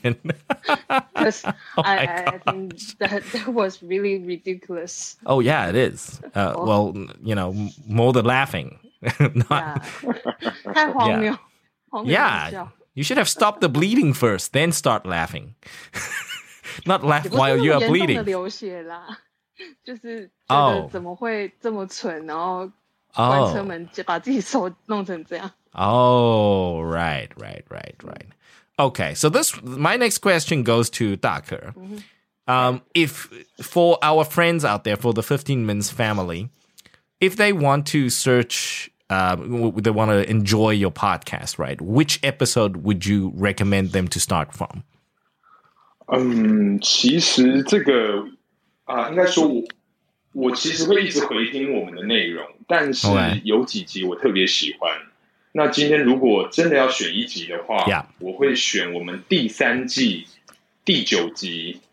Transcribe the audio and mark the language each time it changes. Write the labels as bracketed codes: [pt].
[en] Because I think that was really ridiculous. Oh, yeah, it is. Well, you know, more than laughing. Not, [zh] yeah. 太荒谬。 [en] Yeah, you should have stopped the bleeding first, then start laughing. Not laugh while you are bleeding. [zh] 也不是那么严重的流血啦。就是觉得怎么会这么蠢，然后关车门把自己手弄成这样。 [en] Oh, right. Okay, so my next question goes to Daker. If for our friends out there, for the 15 Minutes family, if they want to search, they want to enjoy your podcast, right? Which episode would you recommend them to start from? [zh] 其实这个啊，应该说我其实会一直回听我们的内容，但是有几集我特别喜欢。 [en] Okay. [zh] 那今天如果真的要选一集的话， [en] yeah. [zh] 我会选我们第三季第九集。